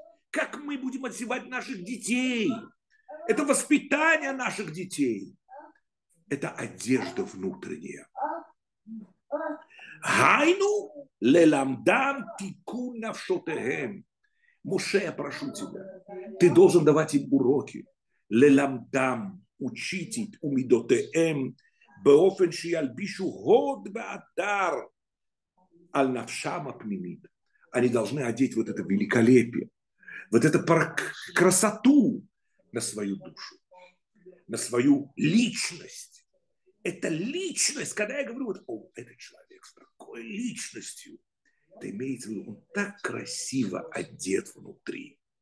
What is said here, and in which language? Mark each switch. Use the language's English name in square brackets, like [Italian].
[Russian] Как мы будем одевать наших детей. Это воспитание наших детей. Это одежда внутренняя. [Hebrew] Гайну леламдам тикун нафшотехем. [Russian] Моше, я прошу тебя, ты должен давать им уроки, [Hebrew] ללמדם, וצ'יטית ומידותיהם, באופן שילבישו הוד ואדר על נפשם הפנימית. [Russian] Они должны одеть вот это великолепие, вот эту красоту на свою душу, на свою личность. Это личность, когда я говорю, вот, о, этот человек с такой личностью, это имеется в виду, он так красиво одет внутри.